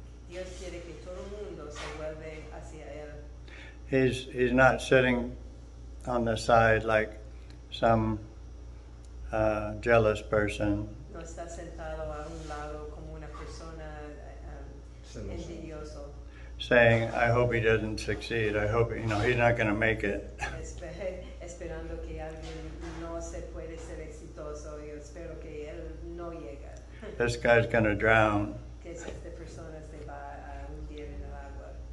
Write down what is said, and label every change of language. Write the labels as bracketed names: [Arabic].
[Spanish] Dios quiere que todo mundo se vuelva hacia él. [English] He's not sitting on the side like some jealous person. [Spanish] No está sentado a un lado como una persona envidioso. [English] Saying, I hope he doesn't succeed. I hope, you know, he's not going to make it. [Spanish] Esperando que alguien no se puede ser exitoso. Yo espero que él no llegue. [English] This guy's going to drown. [Spanish] Que esta persona se va a hundir en el agua.